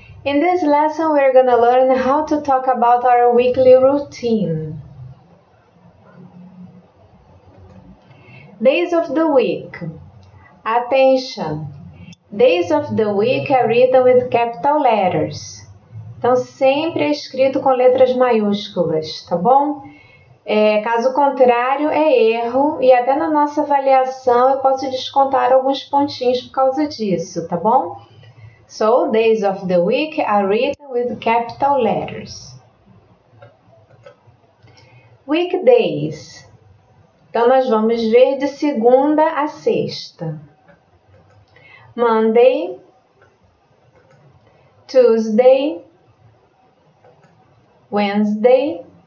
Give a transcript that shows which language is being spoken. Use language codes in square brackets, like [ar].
[en] In this lesson, we're gonna learn how to talk about our weekly routine. Days of the week. Attention! Days of the week are written with capital letters. [pt] Então, sempre é escrito com letras maiúsculas, tá bom? Caso contrário, é erro e até na nossa avaliação eu posso descontar alguns pontinhos por causa disso, tá bom? [en] So, days of the week are written with capital letters. Weekdays. [pt] Então, nós vamos ver de segunda a sexta. [en] Monday. Tuesday. Wednesday.